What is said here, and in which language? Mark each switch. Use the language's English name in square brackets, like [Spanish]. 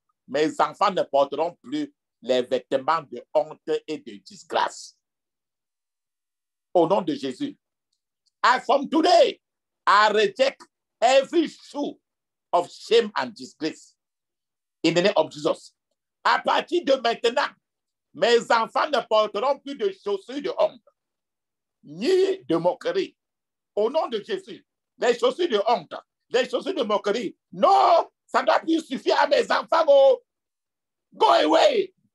[French] Mes enfants ne porteront plus les vêtements de honte et de disgrâce. Au nom de Jésus. [English] As from today, I reject every shoe of shame and disgrace in the name of Jesus. [French] À partir de maintenant, mes enfants ne porteront plus de chaussures de honte, ni de moquerie. Au nom de Jésus, les chaussures de honte, les chaussures de moquerie, non, ça ne doit plus suffire à mes enfants. [English] Oh. Go away!